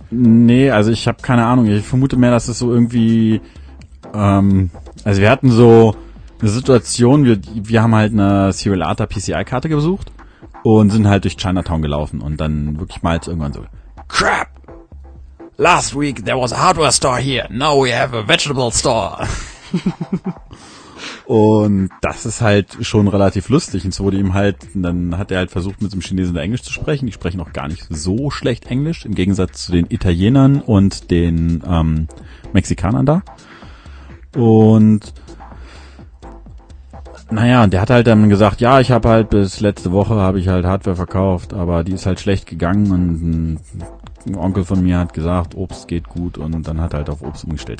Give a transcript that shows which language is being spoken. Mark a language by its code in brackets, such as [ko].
[de] Nee, also ich habe keine Ahnung. Ich vermute mehr, dass es so irgendwie, also wir hatten so eine Situation, wir haben halt eine Serialata PCI-Karte gesucht und sind halt durch Chinatown gelaufen und dann wirklich mal irgendwann so, [en] Crap! Last week there was a hardware store here, now we have a vegetable store. [de] Und das ist halt schon relativ lustig. Und so wurde ihm halt, dann hat er halt versucht, mit dem Chinesen Englisch zu sprechen. Die sprechen auch gar nicht so schlecht Englisch, im Gegensatz zu den Italienern und den Mexikanern da. Und naja, der hat halt dann gesagt, ja, ich habe halt bis letzte Woche habe ich halt Hardware verkauft, aber die ist halt schlecht gegangen und ein Onkel von mir hat gesagt, Obst geht gut und dann hat er halt auf Obst umgestellt.